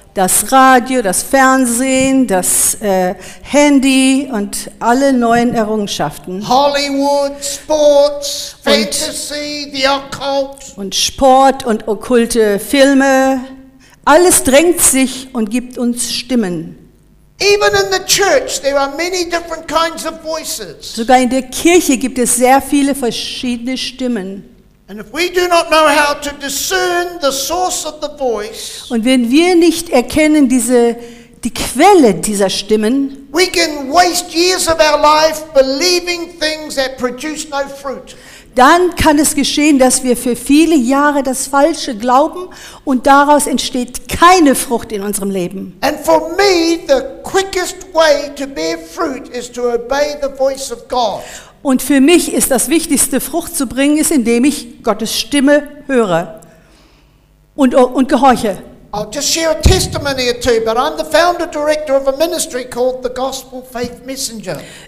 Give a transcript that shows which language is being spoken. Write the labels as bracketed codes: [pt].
[de] Das Radio, das Fernsehen, das Handy und alle neuen Errungenschaften. [en] Hollywood, Sports, Fantasy, the Occult. [de] Und Sport und okkulte Filme. Alles drängt sich und gibt uns Stimmen. [en] Even in the church there are many different kinds of voices. [de] Sogar in der Kirche gibt es sehr viele verschiedene Stimmen. [en] And if we do not know how to discern the source of the voice. [de] Und wenn wir nicht erkennen die Quelle dieser Stimmen. [en] We can waste years of our life believing things that produce no fruit. [de] Dann kann es geschehen, dass wir für viele Jahre das Falsche glauben und daraus entsteht keine Frucht in unserem Leben. [en] And for me, the quickest way to bear fruit is to obey the voice of God. [de] Und für mich ist das Wichtigste, Frucht zu bringen, ist, indem ich Gottes Stimme höre und gehorche. [en] I'll just share a testimony or two, but I'm the founder director of a ministry called the Gospel Faith Messenger.